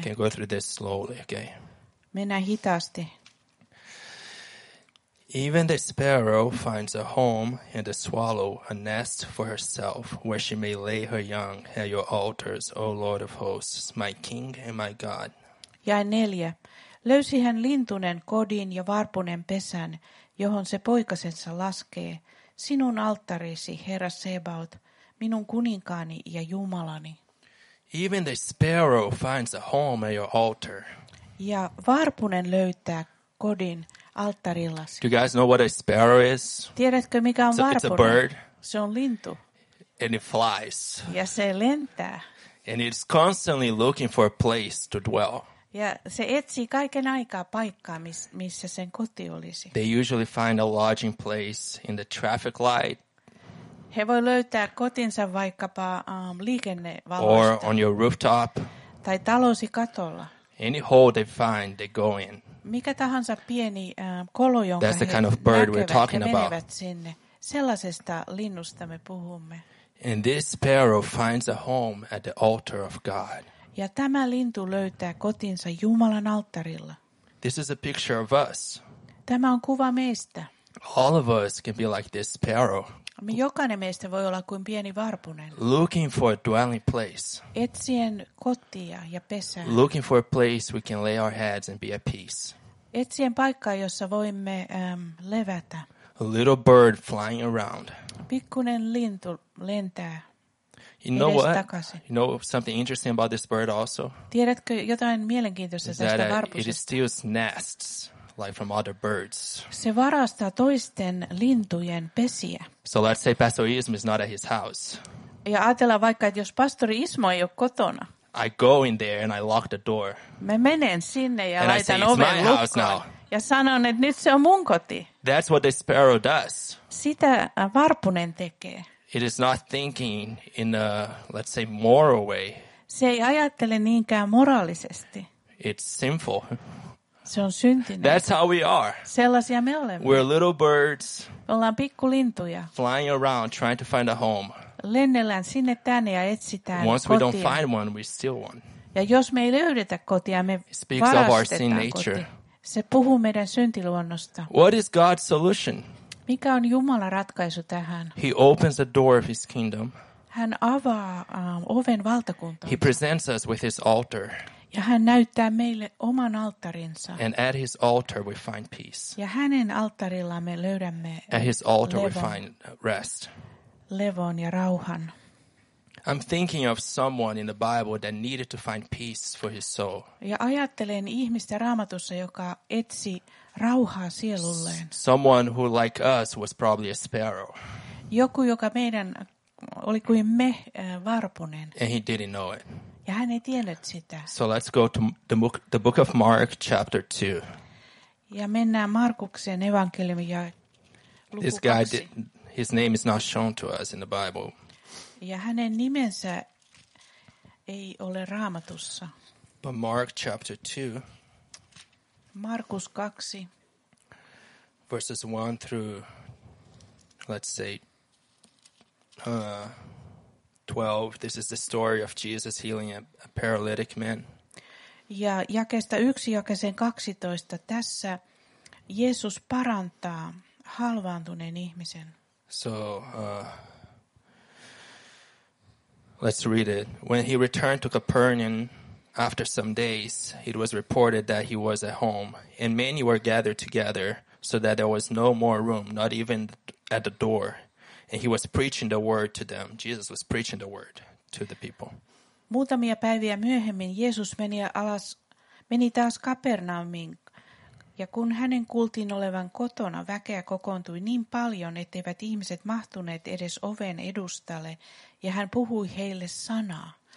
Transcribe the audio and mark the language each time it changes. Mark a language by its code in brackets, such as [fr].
[en] Okay, go through this slowly, okay. [fi] Mennään hitaasti. [en] Even the sparrow finds a home and the swallow a nest for herself where she may lay her young at your altars, O Lord of hosts, my King and my God. [fi] Jae 4. Löysihän lintunen kodin ja varpunen pesän, johon se poikasensa laskee. Sinun alttarisi, Herra Sebaot, minun kuninkaani ja Jumalani. [en] Even the sparrow finds a home at your altar. [fi] Ja varpunen löytää kodin alttarillasi. [en] Do you guys know what a sparrow is? [fi] Tiedätkö mikä on varpunen? [en] It's a bird. [fi] Se on lintu. [en] And it flies. [fi] Ja se lentää. [en] And it's constantly looking for a place to dwell. [fi] Ja se etsii kaiken aikaa paikkaa, missä sen koti olisi. [en] They usually find a lodging place in the traffic light. [fi] He voi löytää kotinsa vaikkapa liikennevalosta. [en] Or on your rooftop. [fi] Tai talousi katolla. [en] Any hole they find, they go in. [fi] Mikä tahansa pieni kolo, jonka [en] that's the kind of bird [fi] näkevät, [en] we're talking about. [fi] Sinne. Sellaisesta linnusta me puhumme. [en] And this sparrow finds a home at the altar of God. [fi] Ja tämä lintu löytää kotinsa Jumalan alttarilla. [en] This is a picture of us. [fi] Tämä on kuva meistä. [en] All of us can be like this sparrow. [fi] Me jokainen meistä voi olla kuin pieni varpunen. [en] Looking for a dwelling place. [fi] Etsien kotia ja pesää. [en] Looking for a place we can lay our heads and be at peace. [fi] Etsien paikkaa, jossa voimme levätä. [en] A little bird flying around. [fi] Pikkunen lintu lentää. [en] You know what? You know something interesting about this bird also? [fi] Tiedätkö jotain mielenkiintoista tästä varpusesta? [en] It steals nests like from other birds. [fi] Se varastaa toisten lintujen pesiä. [en] So let's say Pastor Ismo is not at his house. [fi] Ja ajatellaan vaikka, että jos Pastori Ismo ei ole kotona. [en] I go in there and I lock the door. [fi] Mä menen sinne ja and laitan oven lukkoon. Ja sanon, että nyt se on mun koti. [en] That's what the sparrow does. [fi] Sitä varpunen tekee. [en] It is not thinking in a, let's say, moral way. [fi] Se ei ajattele niinkään moraalisesti. [en] It's sinful. [fi] Se on syntinen. [en] That's how we are. [fi] Sellaisia me olemme. [en] We're little birds. [fi] Me ollaan pikkulintuja. [en] Flying around, trying to find a home. [fi] Lennellään sinne tänne ja etsitään [en] Once [fi] kotia. [en] Once we don't find one, we steal one. [fi] Ja jos me ei löydetä kotia, me [en] Speaks [fi] varastetaan [en] of our sin nature. [fi] Koti. Se puhuu meidän syntiluonnosta. [en] What is God's solution? [fi] Mikä on Jumalan ratkaisu tähän? [en] He opens the door of his kingdom. [fi] Hän avaa oven valtakuntaan. [en] He presents us with his altar. [fi] Ja hän näyttää meille oman alttarinsa. [en] And at his altar we find peace. [fi] Ja hänen alttarillaan me löydämme [en] At his altar [fi] levon. [en] We find rest. [fi] Levon ja rauhan. [en] I'm thinking of someone in the Bible that needed to find peace for his soul. [fi] Ja ajattelen ihmistä Raamatussa, joka etsi rauhaa sielulleen. [en] Someone who like us was probably a sparrow. [fi] Joku, joka meidän oli kuin me varpunen. [en] And he didn't know it. [fi] Ja hän ei tiennyt sitä. [en] So let's go to the book of Mark chapter 2. [fi] Ja mennään Markuksen evankeliumin ja luku 2. [en] This guy, his name is not shown to us in the Bible. [fi] Ja hänen nimensä ei ole Raamatussa. [en] But Mark chapter 2. [fi] Markus 2. [en] Verses 1 through, let's say, 12. This is the story of Jesus healing a paralytic man. [fi] Ja jakeesta 1 jakeeseen 12. Tässä Jeesus parantaa halvaantuneen ihmisen. [en] So, let's read it. When he returned to Capernaum after some days, it was reported that he was at home, and many were gathered together so that there was no more room, not even at the door. And he was preaching the word to them. Jesus was preaching the word to the people. [fi] Muutamia päiviä myöhemmin Jeesus meni taas Kapernaumiin. Ja kun hänen kuultiin olevan kotona, väkeä kokoontui niin paljon, etteivät ihmiset mahtuneet edes oven edustalle. Ja hän puhui heille sanaa.